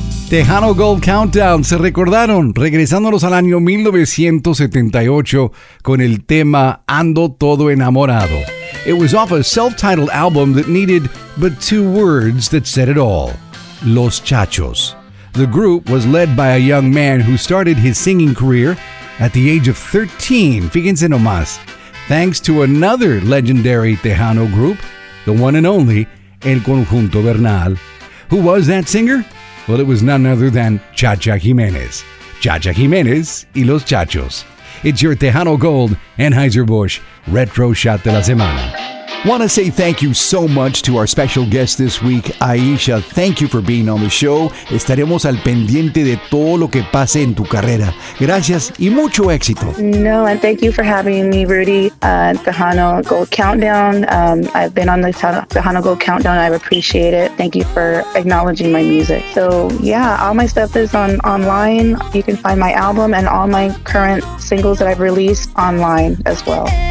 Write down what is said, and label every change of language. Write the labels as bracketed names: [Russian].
[Spanish] Tejano Gold Countdown, se recordaron, regresándonos al año 1978 con el tema Ando Todo Enamorado. [English] It was off a self-titled album that needed but two words that said it all. Los Chachos. The group was led by a young man who started his singing career at the age of 13, [Spanish] fíjense nomás, [English] thanks to another legendary Tejano group, the one and only El Conjunto Bernal. Who was that singer? Well, it was none other than Chacha Jimenez. Chacha Jimenez y Los Chachos. It's your Tejano Gold, Anheuser-Busch, Retro Shot de la Semana. Want to say thank you so much to our special guest this week, Aisha. Thank you for being on the show. [Spanish] Estaremos al pendiente de todo lo que pase en tu carrera. Gracias y mucho éxito. [English] No, and thank you for having me, Rudy, at the Tejano Gold Countdown. I've been on the Tejano Gold Countdown. I appreciate it. Thank you for acknowledging my music. So, yeah, all my stuff is online. You can find my album and all my current singles that I've released online as well.